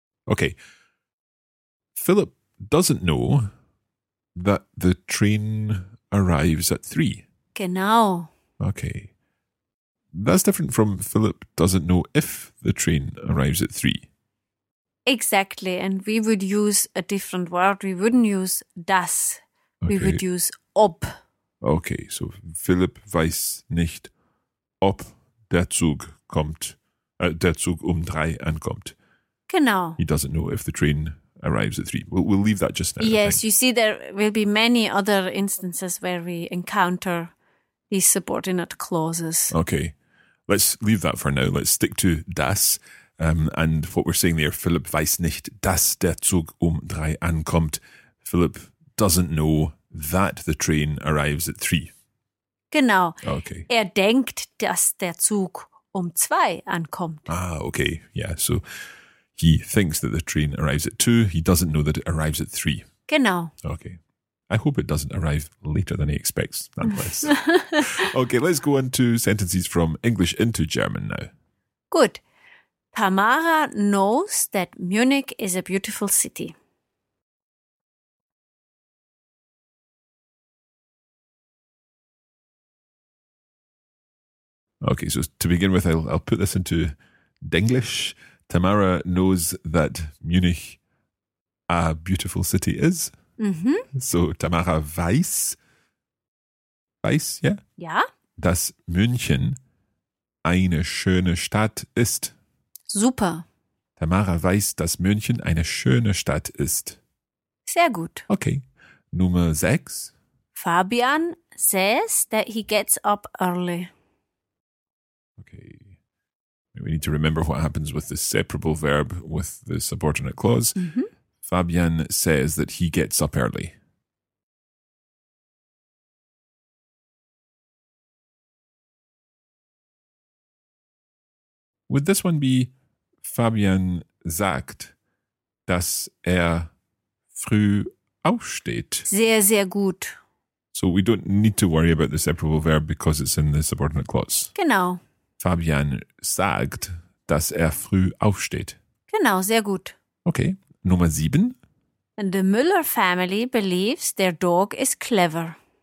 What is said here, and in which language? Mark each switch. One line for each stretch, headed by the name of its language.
English: Okay, Philipp doesn't know that the train arrives at three.
German: Genau.
English: Okay. That's different from Philip doesn't know if the train arrives at three. Exactly. And we would use a different word. We wouldn't use das. Okay. We would use ob. Okay.
German: So Philip weiß nicht, ob der Zug kommt, der Zug um drei ankommt. Genau.
English: He doesn't know if the train arrives at three. We'll leave that just now. Yes, you see, there will be many other instances where we encounter these subordinate clauses. Okay, let's leave that for now. Let's stick to das. And what we're saying there,
German: Philipp weiß nicht, dass der Zug um drei ankommt.
English: Philipp doesn't know that the train arrives at three.
German: Genau.
English: Okay.
German: Er denkt, dass der Zug um zwei ankommt.
English: Ah, okay. Yeah, so he thinks that the train arrives at two. He doesn't know that it arrives at three.
German: Genau.
English: Okay. I hope it doesn't arrive later than he expects, nonetheless. Okay, let's go on to sentences from English into German now. Good. Tamara knows that Munich is a beautiful city. Okay, so to begin with, I'll put this into Denglish. Tamara knows that Munich a beautiful city is. Mm-hmm.
German: So Tamara weiß, yeah? Ja. Dass München eine schöne Stadt ist. Super. Tamara weiß, dass München eine schöne Stadt ist. Sehr gut. Okay. Nummer 6.
English: Fabian says that he gets up early. Okay. We need to remember what happens with the separable verb with the subordinate clause. Mm-hmm. Fabian says that he gets up early. Would this one be Fabian
German: sagt, dass früh aufsteht? Sehr, sehr gut.
English: So we don't need to worry about the separable verb because it's in the subordinate clause.
German: Genau. Fabian sagt, dass früh aufsteht. Genau, sehr gut. Okay, Nummer 7.
English: And the Müller family believes their dog is clever.